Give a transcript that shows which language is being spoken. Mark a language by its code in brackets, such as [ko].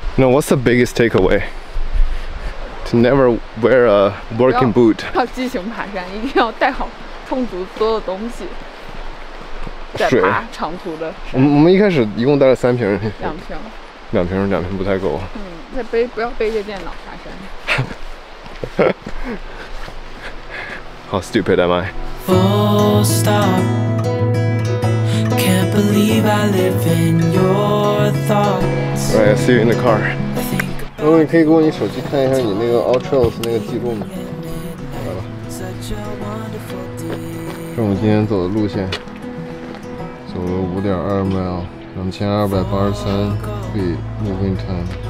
[en] Now, what's the biggest takeaway? To never wear a working boot. [zh] 要激情爬山，一定要带好充足所有东西。水。在爬长途的。我们一开始一共带了三瓶。两瓶不太够。再背，不要背着电脑爬山。 [en] How stupid am I? Full stop. Can't believe I live in your thoughts. Alright, I'll see you in the car. [zh] 如果你可以给我你手机看一下你那个 All Trails 那个记录吗？来吧。这我们今天走的路线，走了 5.2 mile， 2283 feet moving time。